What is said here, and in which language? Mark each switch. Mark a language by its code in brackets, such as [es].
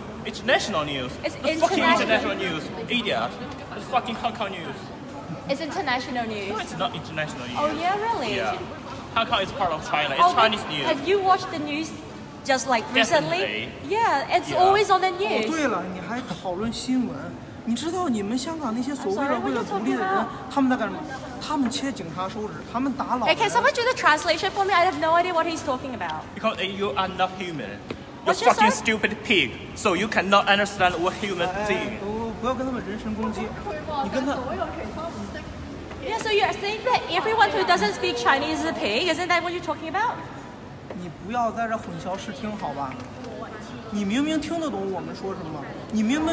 [en] It's national news. It's the fucking international news. Idiot. It's fucking Hong Kong news. It's international news. No, it's not international news. Oh, yeah, really? Yeah. Hong Kong is part of China. It's Chinese news. Have you watched the news just like recently? Definitely. Yeah, it's always on the news. [zh] 对了，你还讨论新闻。你知道你们香港那些所谓的为了独立的人，他们在干什么？他们切警察手指，他们打老人。 [en] Can someone do the translation for me? I have no idea what he's talking about. Because you are not human. You're fucking stupid pig. So you cannot understand what human thing. [zh] 不要跟他们人身攻击。你跟他。 [en] Yeah, so you're saying that everyone who doesn't speak Chinese is a pig? Isn't that what you're talking about? [zh] 你不要在这混淆视听，好吧？你明明听得懂我们说什么，你明明。